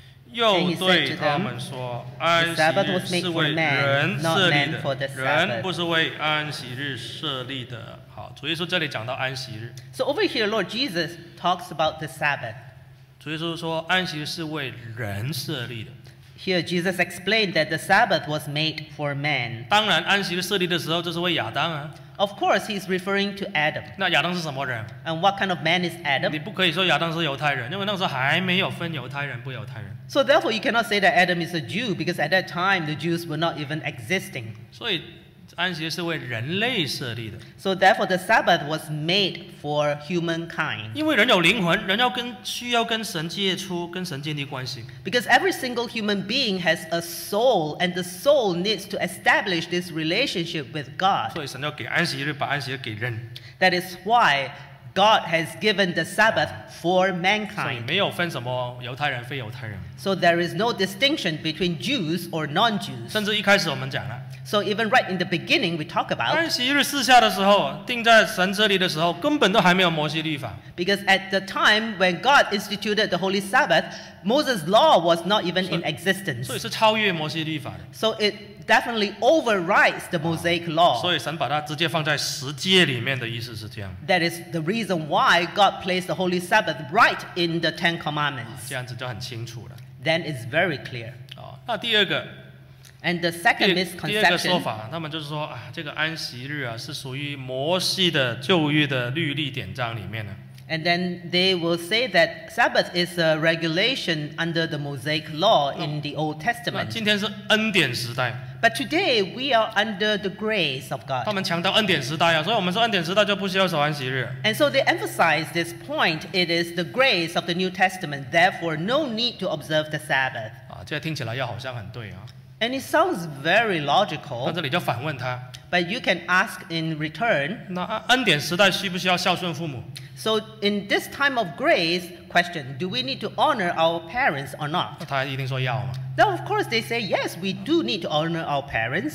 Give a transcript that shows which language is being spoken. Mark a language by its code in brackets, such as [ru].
[zh] 又对他们说，安息日是为人设立的，人不是为安息日设立的。好，主耶稣这里讲到安息日。 [en] So over here, Lord Jesus talks about the Sabbath. [zh] 主耶稣说，安息日是为人设立的。 [en] Here Jesus explained that the Sabbath was made for man. [zh] 当然，安息日设立的时候，就是为亚当啊。 [en] Of course, he's referring to Adam. [zh] 那亚当是什么人？ [en] And what kind of man is Adam? [zh] 你不可以说亚当是犹太人，因为那时候还没有分犹太人不犹太人。 [en] So therefore, you cannot say that Adam is a Jew because at that time the Jews were not even existing. [zh] 所以安息日是为人类设立的。 [en] So therefore, the Sabbath was made for humankind. [zh] 因为人有灵魂，人要跟需要跟神接触，跟神建立关系。 [en] Because every single human being has a soul, and the soul needs to establish this relationship with God. [zh] 所以神要给安息日，把安息日给人。 [en] That is why God has given the Sabbath for mankind. [zh] 所以没有分什么犹太人非犹太人。 [en] So there is no distinction between Jews or non-Jews. [zh] 甚至一开始我们讲了。 [en] So even right in the beginning, we talk about [zh] 安息日四下的时候，定在神这里的时候，根本都还没有摩西律法。 [en] Because at the time when God instituted the Holy Sabbath, Moses' law was not even in existence. [zh] 所以是超越摩西律法的。 [en] So it definitely overrides the Mosaic law. [zh] 所以神把它直接放在十诫里面的意思是这样。 [en] That is the reason why God placed the Holy Sabbath right in the Ten Commandments. [zh] 这样子就很清楚了。 [en] Then it's very clear. [zh] 那第二个。 [en] And the second misconception. [zh] 第二个说法，他们就是说，这个安息日啊，是属于摩西的旧约的律例典章里面的。 [en] And then they will say that Sabbath is a regulation under the Mosaic law in the Old Testament. [zh] 今天是恩典时代。 [en] But today we are under the grace of God. [zh] 他们强调恩典时代啊，所以我们说恩典时代就不需要守安息日。 [en] And so they emphasize this point. It is the grace of the New Testament. Therefore, no need to observe the Sabbath. [zh] 这听起来要好像很对啊。 [en] And it sounds very logical. [zh] 那这里就反问他。 [en] But you can ask in return. [zh] 那恩典时代需不需要孝顺父母？ [en] So in this time of grace, question, do we need to honor our parents or not? [zh] 他一定说要嘛。 [en] Then of course they say yes, we do need to honor our parents.